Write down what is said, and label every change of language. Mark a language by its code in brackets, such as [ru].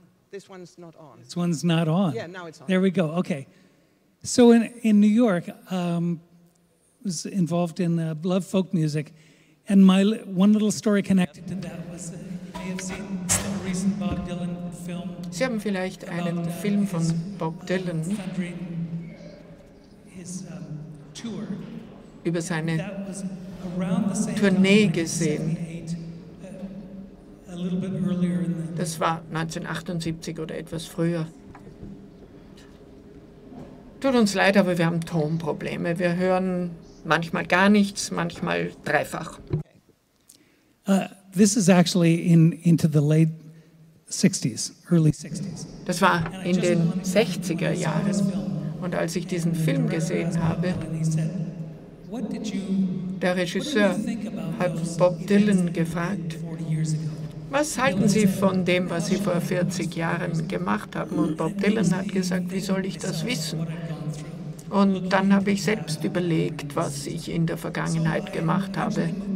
[en] This one's not on. This one's not on. Yeah, now it's on. There we go. Okay. So in New York, was involved in love folk music, and my one little story connected to that was that you may have seen a recent Bob Dylan film. [de] Sie haben vielleicht einen Film von Bob Dylan über seine Tournee gesehen. Das war 1978 oder etwas früher. Tut uns leid, aber wir haben Tonprobleme. Wir hören manchmal gar nichts, manchmal dreifach. [en] This is actually into the late 60s, early 60s. [de] Das war in den 60er Jahren. Und als ich diesen Film gesehen habe, der Regisseur hat Bob Dylan gefragt, was halten Sie von dem, was Sie vor 40 Jahren gemacht haben? Und Bob Dylan hat gesagt, wie soll ich das wissen? Und dann habe ich selbst überlegt, was ich in der Vergangenheit gemacht habe.